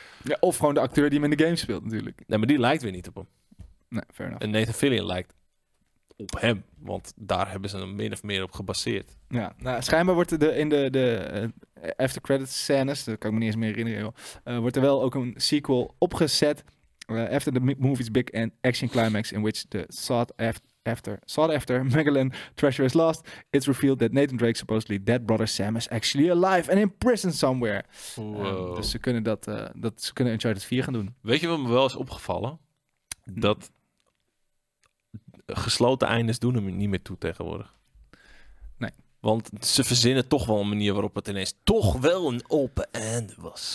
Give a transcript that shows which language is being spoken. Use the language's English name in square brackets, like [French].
[Dutch] Ja, of gewoon de acteur die hem in de game speelt natuurlijk. Nee, maar die lijkt weer niet op hem. Nee, fair enough. En Nathan Fillion lijkt op hem, want daar hebben ze hem min of meer op gebaseerd. Ja, nou, schijnbaar wordt er in de after credits scènes, dat kan ik me niet eens meer herinneren, wordt er wel ook een sequel opgezet... [English] after the movie's big and action climax in which the sought after Magellan treasure is lost, it's revealed that Nathan Drake, supposedly dead brother Sam, is actually alive and in prison somewhere. [Dutch] Dus ze kunnen dat ze kunnen Uncharted 4 gaan doen. Weet je wat me wel is opgevallen? Dat gesloten eindes doen hem niet meer toe tegenwoordig. Want ze verzinnen toch wel een manier waarop het ineens toch wel een open einde was.